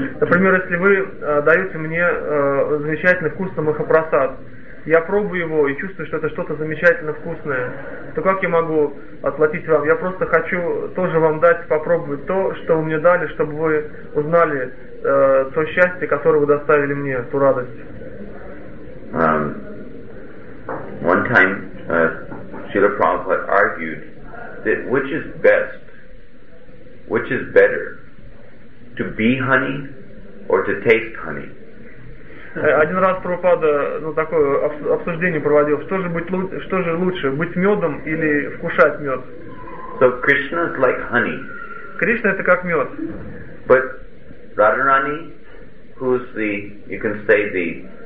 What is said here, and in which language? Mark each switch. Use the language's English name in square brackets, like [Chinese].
[Russian] Например, если вы даете мне замечательный вкусный махапрасад, я пробую его и чувствую, что это что-то замечательно вкусное, то как я могу отплатить вам? Я просто хочу тоже вам дать попробовать то, что вы мне дали, чтобы вы узнали то счастье, которое вы доставили мне, ту радость. [English] One time Srila Prabhupada argued that which is best, which is better, to be honey or to taste honey? [Russian] Один раз Прабхупада такое обсуждение проводил. Что же лучше, быть медом или вкушать мед? [English] So Krishna is like honey. [Russian] Кришна это как мед. [English] But Radharani, who's the, you can say the